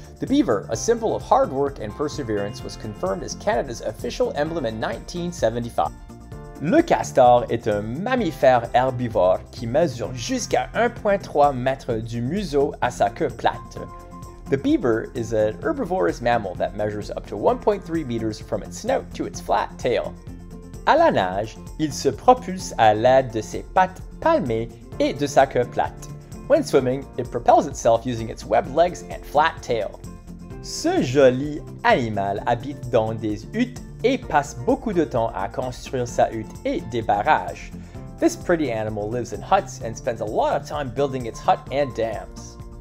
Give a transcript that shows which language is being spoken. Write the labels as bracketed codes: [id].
[en] The beaver, a symbol of hard work and perseverance, was confirmed as Canada's official emblem in 1975. [fr] Le castor est un mammifère herbivore qui mesure jusqu'à 1,3 mètre du museau à sa queue plate. [en] The beaver is an herbivorous mammal that measures up to 1.3 meters from its snout to its flat tail. [fr] À la nage, il se propulse à l'aide de ses pattes palmées et de sa queue plate. [en] When swimming, it propels itself using its webbed legs and flat tail. [fr] Ce joli animal habite dans des huttes et passe beaucoup de temps à construire sa hutte et des barrages. [en] This pretty animal lives in huts and spends a lot of time building its hut and dams.